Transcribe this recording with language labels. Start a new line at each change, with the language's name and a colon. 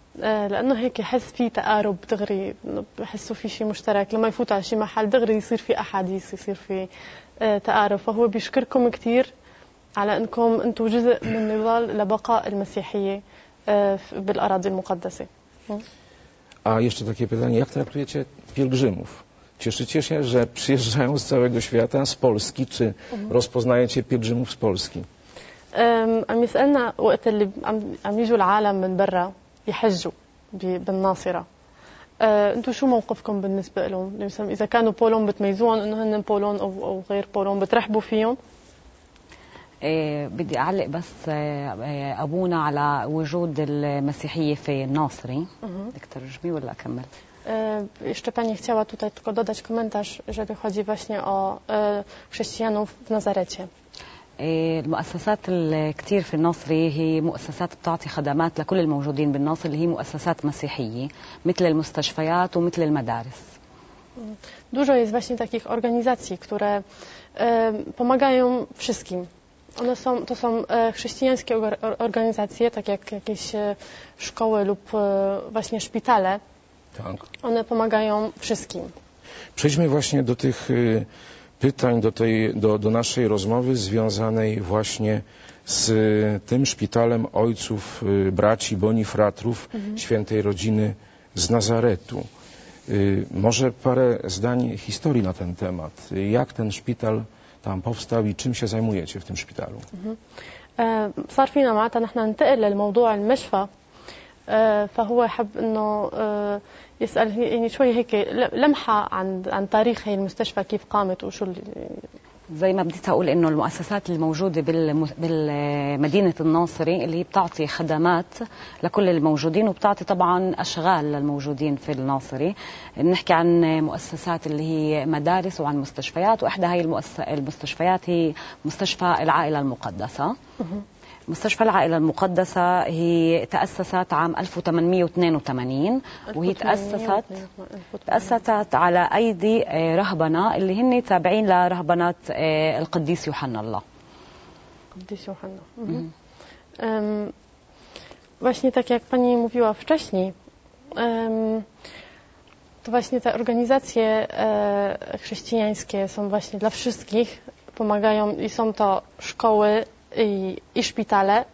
Arabic: لأنه هيك يحس في تقارب دغري بحسه في شيء مشترك لما يفوت على شيء محل دغري يصير في أحاديث يصير في تقارب فهو بيشكركم كتير على أنكم أنتوا جزء من نضال لبقاء المسيحية بالأراضي المقدسة.
Polish: jeszcze takie pytanie, jak traktujecie pielgrzymów? Cieszycie się, że przyjeżdżają z całego świata, z Polski, czy rozpoznajecie pielgrzymów z Polski?
Arabic: عم يسألنا وقت اللي عم يجوا العالم من برا يحجوا بالناصرة. انتو شو موقفكم بالنسبة لهم؟ مثلا اذا كانوا بولون بتميزون انه هن بولون او غير بولون بترحبوا فيهم؟ بدي اعلق بس ابونا على وجود المسيحية في الناصري. بدك ترجمي ولا اكمل؟
Polish: jeszcze pani chciała tutaj tylko dodać komentarz, jeżeli chodzi właśnie o chrześcijanów w Nazarecie.
Arabic: المؤسسات الكثير في الناصري هي مؤسسات بتعطي خدمات لكل الموجودين بالناصر اللي هي مؤسسات مسيحية مثل المستشفيات ومثل المدارس.
Polish: Dużo jest właśnie takich organizacji, które pomagają wszystkim. One są, to są chrześcijańskie organizacje, tak jak jakieś szkoły lub właśnie szpitale. Tak. One pomagają wszystkim. Przejdźmy właśnie do tych pytań do naszej rozmowy związanej właśnie z tym szpitalem ojców, braci, bonifratrów świętej rodziny z Nazaretu. Może parę zdań historii na ten temat. Jak ten szpital tam powstał i czym się zajmujecie w tym szpitalu?
Arabic: صار فينا معناتها نحن ننتقل للموضوع المشفى فهو حب انه يسأل يعني شوي هيك لمحة عن تاريخ هي المستشفى كيف قامت وشو زي ما بديت أقول إنه المؤسسات الموجودة بالمدينة الناصري اللي بتعطي خدمات لكل الموجودين وبتعطي طبعا أشغال للموجودين في الناصري. نحكي عن مؤسسات اللي هي مدارس وعن مستشفيات وإحدى هاي المستشفيات هي مستشفى العائلة المقدسة. مستشفى العائلة المقدسة هي تأسست عام 1882 وهي تأسست على أيدي رهبنة اللي هن تابعين لرهبنة القديس يوحنا الله. القديس يوحنا.
Polish: właśnie tak jak pani mówiła wcześniej, to właśnie te organizacje chrześcijańskie są właśnie dla wszystkich, pomagają i są to szkoły i szpitale.